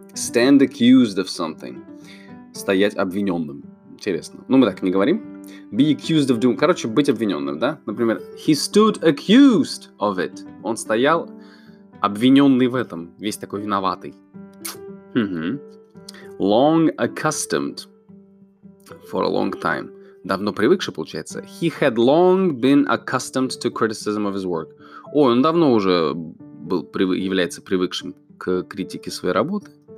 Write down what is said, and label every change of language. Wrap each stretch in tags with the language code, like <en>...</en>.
<en>Stand accused of something.</en> <ru>Стоять обвиненным. Интересно. Ну, мы так не говорим.</ru> <en>Be accused of doing.</en> <ru>Короче, быть обвиненным, да?</ru> <en>Например, he stood accused of it.</en> <ru>Он стоял обвиненный в этом. Весь такой виноватый.</ru> <en>Long accustomed. For a long time.</en> <ru>Давно привыкший, получается.</ru> <en>He had long been accustomed to criticism of his work.</en> <ru>Ой, он давно уже был, является привыкшим к критике своей работы.</ru>